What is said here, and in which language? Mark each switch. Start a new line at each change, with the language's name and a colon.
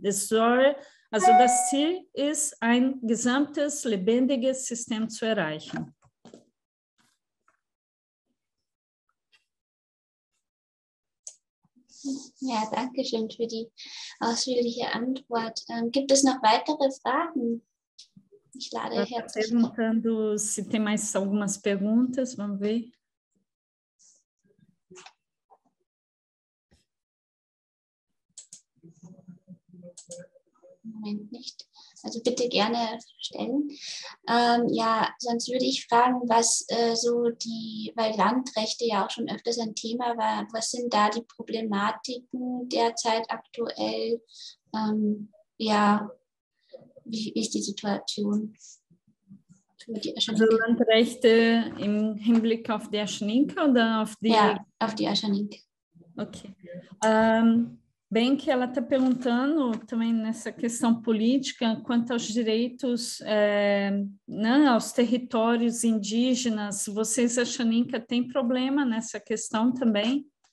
German: Das soll, also das Ziel ist, ein gesamtes lebendiges System zu erreichen. Ja, danke schön für die ausführliche Antwort. Gibt es noch weitere Fragen? Ich lade herzlich. Ich
Portuguese: bin perguntando, se tem mais algumas perguntas, vamos ver.
German: Moment nicht. Also bitte gerne stellen. Ja, sonst würde ich fragen, was so die, weil Landrechte ja auch schon öfters ein Thema war, was sind da die Problematiken derzeit aktuell? Ja, wie ist die Situation? Also Landrechte im Hinblick auf die Aschaninka oder auf die? Ja, auf die Aschaninka. Okay.
Portuguese: Bem que ela está perguntando também nessa questão política quanto aos direitos, né, aos territórios indígenas. Vocês acham que tem problema nessa questão também?